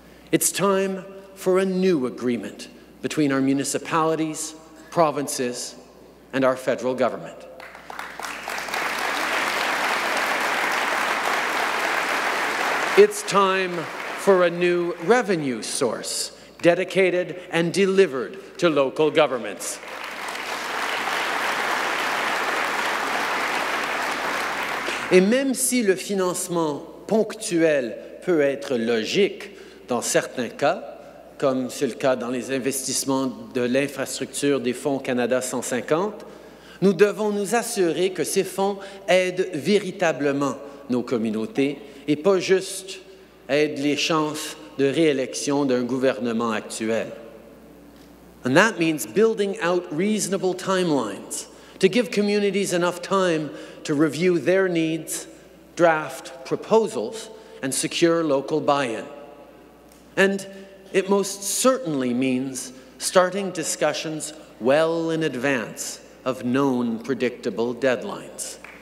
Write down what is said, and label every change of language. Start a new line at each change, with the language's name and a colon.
English: It's time for a new agreement between our municipalities, provinces, and our federal government. It's time for a new revenue source dedicated and delivered to local governments.
French: Et même si le financement ponctuel peut être logique dans certains cas, comme c'est le cas dans les investissements de l'infrastructure des fonds Canada 150, nous devons nous assurer que ces fonds aident véritablement nos communautés et pas juste aident les chances de réélection d'un gouvernement actuel.
English: And that means building out reasonable timelines to give communities enough time to review their needs, draft proposals, and secure local buy-in. And it most certainly means starting discussions well in advance of known predictable deadlines.